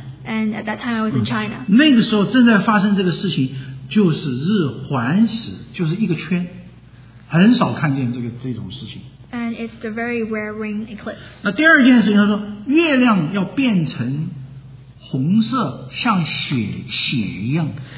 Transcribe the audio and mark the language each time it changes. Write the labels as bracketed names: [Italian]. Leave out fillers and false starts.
[English] And at that time I was in China. [Chinese] 那个时候正在发生这个事情，就是日环食，就是一个圈，很少看见这种事情。 [English] And it's the very rare ring eclipse. [Chinese] 那第二件事情，他说月亮要变成红色，像血一样。